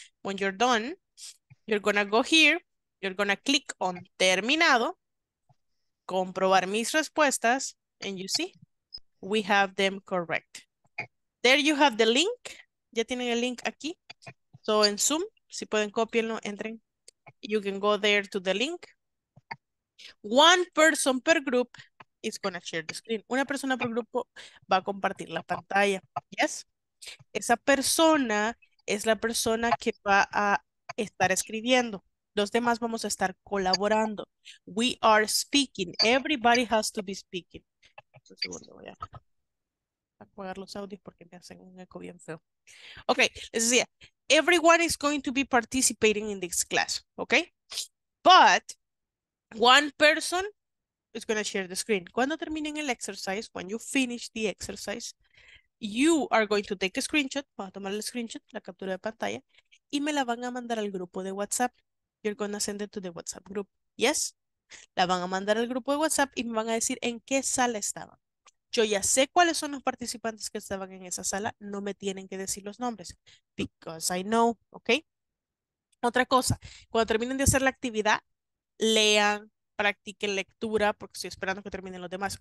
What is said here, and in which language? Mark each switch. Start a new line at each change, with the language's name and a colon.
English: When you're done, you're going to go here, you're going to click on
Spanish: terminado, comprobar mis respuestas,
English: and you see, we have them correct. There you have the link.
Spanish: Ya tienen el link aquí.
English: So in Zoom,
Spanish: si pueden copiarlo, entren.
English: You can go there to the link. One person per group is going to share the screen.
Spanish: Una persona por grupo va a compartir la pantalla. Yes? Esa persona es la persona que va a estar escribiendo. Los demás vamos a estar colaborando.
English: We are speaking. Everybody has to be speaking.
Spanish: Un segundo, voy a apagar los audios porque me hacen un eco bien feo.
English: Okay, let's see. Everyone is going to be participating in this class, okay? But one person is going to share the screen.
Spanish: Cuando terminen el exercise,
English: when you finish the exercise, you are going to take a screenshot,
Spanish: va a tomar el screenshot, la captura de pantalla, y me la van a mandar al grupo de WhatsApp.
English: You're going to send it to the WhatsApp group, yes?
Spanish: La van a mandar al grupo de WhatsApp y me van a decir en qué sala estaban. Yo ya sé cuáles son los participantes que estaban en esa sala. No me tienen que decir los nombres.
English: Because I know, ¿ok?
Spanish: Otra cosa. Cuando terminen de hacer la actividad, lean, practiquen lectura, porque estoy esperando que terminen los demás.